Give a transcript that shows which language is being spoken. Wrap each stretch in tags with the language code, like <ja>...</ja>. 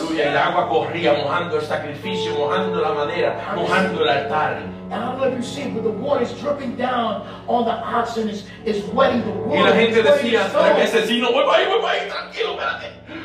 <es>Aleluya, el agua corría mojando el sacrificio, mojando la madera, mojando el altar.</es> <en>And I don't know if you see it, but the water is dripping down on the oxen, is wetting the wood.</en> <es>Y la gente decía, tranquilo, vuelva ahí, tranquilo, espérate.</es>